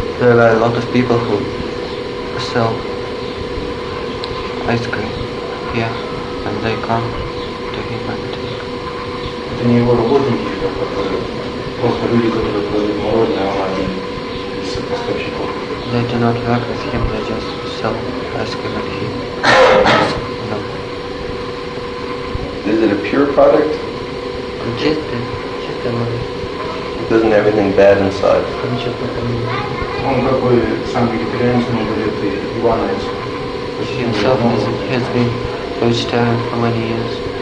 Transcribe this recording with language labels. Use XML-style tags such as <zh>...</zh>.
<en>There are a lot of people who sell ice cream here, and they come to him and take.</en> <ru>Это не его работники, просто люди, которые продают мороженое, они из поставщиков.</ru> <en>They do not work with him, they just sell ice cream and he no. Is it a pure product? Just a money. It doesn't have anything bad inside. He himself has been vegetarian for many years.</en>